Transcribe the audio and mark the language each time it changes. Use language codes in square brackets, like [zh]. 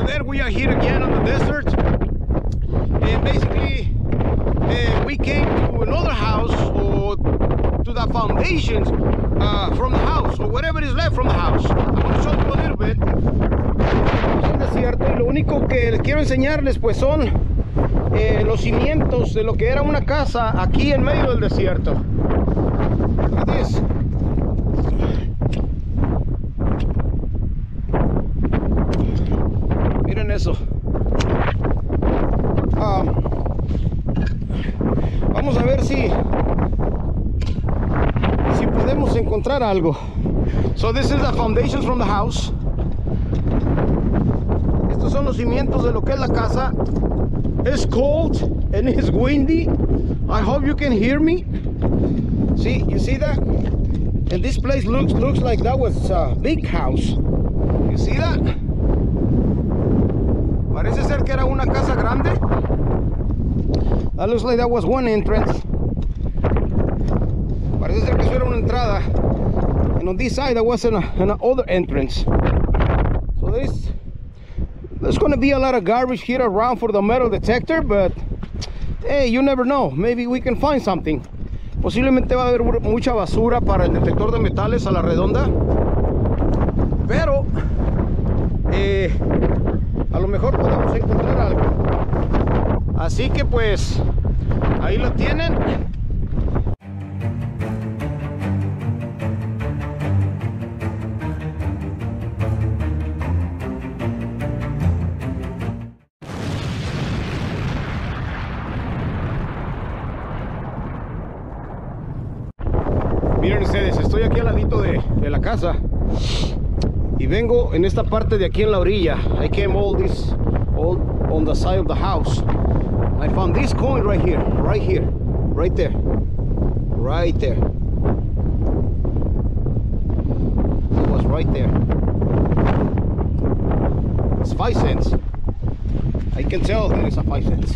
[en] Today we are here again on the desert. And basically, we came to another house or to the foundations from the house or whatever is left from the house. I'm going to show you a little bit. [es] Desierto, y lo único que quiero enseñarles pues son los cimientos de lo que era una casa aquí en medio del desierto. [en] Look at this. [es] Miren eso. Vamos a ver si podemos encontrar algo. [en] So this is the foundations from the house. [es] Son los cimientos de lo que es la casa. [en] It's cold and it's windy. I hope you can hear me. See, you see that? And this place looks like that was a big house. You see that? [es] Parece ser que era una casa grande. [en] That looks like that was one entrance. [es] Parece ser que eso era una entrada. [en] And on this side, that was another entrance. So this. There's gonna be a lot of garbage here around for the metal detector, but hey, you never know. Maybe we can find something. [es] Posiblemente va a haber mucha basura para el detector de metales a la redonda. Pero, a lo mejor podemos encontrar algo. Así que pues, ahí lo tienen. Miren ustedes, estoy aquí al ladito de la casa y vengo en esta parte de aquí en la orilla. [en] I came all on the side of the house. I found this coin right here. It was right there. It's 5 cents. I can tell that it's a 5 cents.